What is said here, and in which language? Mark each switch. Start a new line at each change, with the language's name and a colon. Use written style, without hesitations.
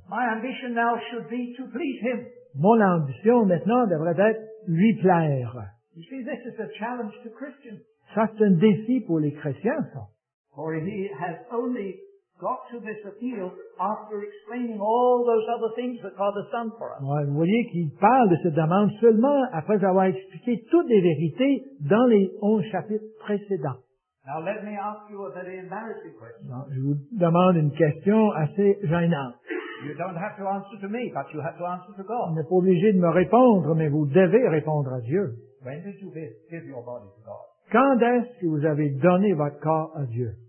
English: My ambition now should be to please him.
French: Mon ambition maintenant devrait être lui plaire.
English: You see, this is a challenge to Christians.
French: Ça, c'est un défi pour les chrétiens, ça.
English: For he has only got to this appeal after explaining all those other things that God has done for us.
French: Ouais, vous voyez qu'il parle de cette demande seulement après avoir expliqué toutes les vérités dans les 11 chapitres précédents.
English: Now let me ask you a very embarrassing question.
French: Non, je vous demande une question assez gênante.
English: You don't have to answer to me, but you have to answer to God.
French: Vous n'êtes pas obligé de me répondre, mais vous devez répondre à Dieu.
English: When did you give your body to God?
French: Quand est-ce que vous avez donné votre corps à Dieu?